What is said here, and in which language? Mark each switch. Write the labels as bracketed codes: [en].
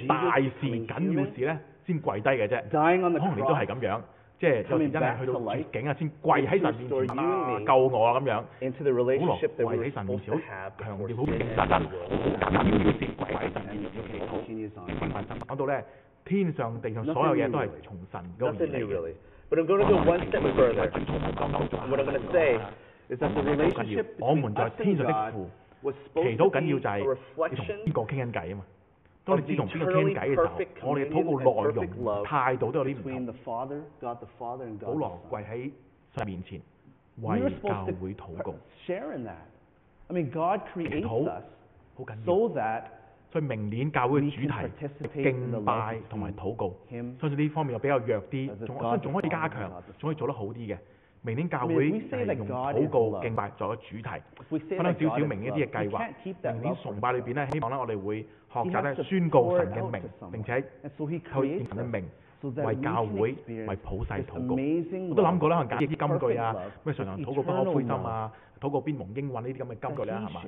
[yue] 咗大事緊要事咧，先跪低嘅啫。可能你都係咁樣，即係有時真係去到絕境啊，先跪喺神面前啊，救我啊咁樣。保羅跪喺神面前，好強調好認真，好緊要要先跪喺神面前祈禱。講到咧，天上地上所有嘢都係從神嗰邊嚟嘅。 [en] But I'm going to go one step further. What I'm going to say. Is that the relationship between us and God was supposed to be a reflection of eternally perfect communion and perfect love between the Father, God the Father, and God the Son. We were supposed to share in that. I mean, God created us so that we can participate in the love between Him and the Father, God the Son, and God the Son. We can do it better, we can do it better. [yue] 明年教會係用禱告敬拜作為主題，分享少少明年一啲嘅計劃。明年崇拜裏邊咧，希望咧我哋會學習咧宣告神嘅名，並且透過神嘅名為教會為普世禱告。我都諗過啦，可能揀啲金句啊，咩常常禱告不可灰心啊，禱告邊蒙應允呢啲咁嘅金句咧，係嘛？